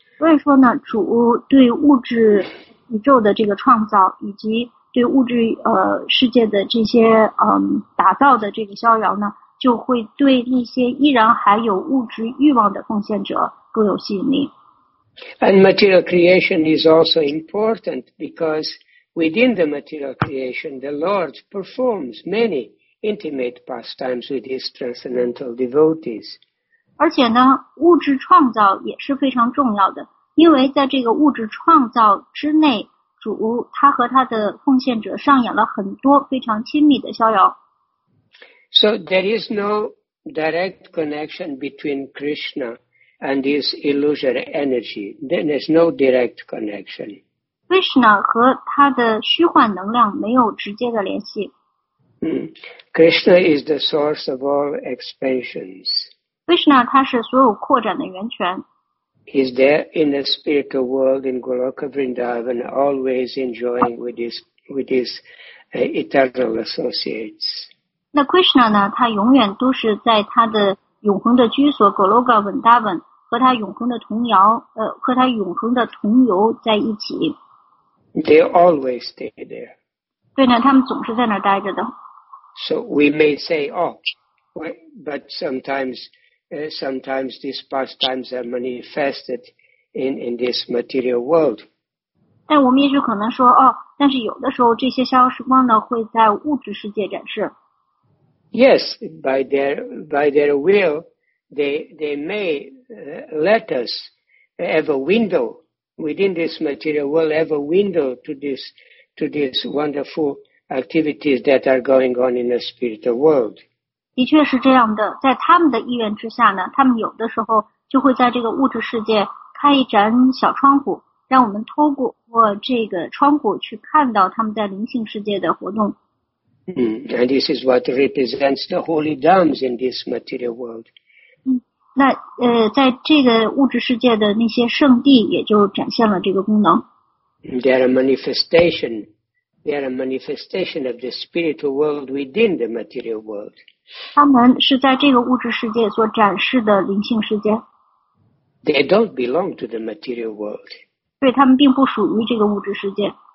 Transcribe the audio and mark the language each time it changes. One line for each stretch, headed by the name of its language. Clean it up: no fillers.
Chinese: 所以说呢，主对物质宇宙的这个创造，以及对物质世界的这些打造的这个逍遥呢，就会对那些依然还有物质欲望的奉献者更有吸引力。
English: And material creation is also important because within the material creation, the Lord performs many. Intimate pastimes with his transcendental devotees.
Chinese: 而且呢，物质创造也是非常重要的，因为在这个物质创造之内，主他和他的奉献者上演了很多非常亲密的逍遥。
English: So there is no direct connection between Krishna and his illusory energy. There is no direct connection.
Chinese: Krishna 和他的虚幻能量没有直接的联系。
English: Krishna is the source of all expansions.
Chinese: Krishna 他是所有扩展的源泉。
English: He's there in the spiritual world in Goloka Vrindavan, always enjoying with his eternal associates.
Chinese: 那 Krishna 呢？他永远都是在他的永恒的居所 Goloka Vrindavan 和他永恒的同僚，和他永恒的同游在一起。
English: They always stay there.
Chinese: 对呢，他们总是在那儿待着的。
English: So we may say, but sometimes. Sometimes these pastimes are manifested in this material world.
Chinese: 但我们也许可能说，但是有的时候这些逍遥时光呢，会在物质世界展示。
English: Yes, by their will, they may let us have a window within this material world, have a window to these wonderful activities that are going on in the spiritual world.
Chinese: 的确是这样的，在他们的意愿之下呢，他们有的时候就会在这个物质世界开一盏小窗户，让我们透过这个窗户去看到他们在灵性世界的活动。
English: And this is what represents the holy dhams in this material world.
Chinese: 那在这个物质世界的那些圣地也就展现了这个功能。
English: They are a manifestation of the spiritual world within the material world.
Chinese: 他们是在这个物质世界所展示的灵性世界。
English: They don't belong to the material world.
Chinese: 对，他们并不属于这个物质世界。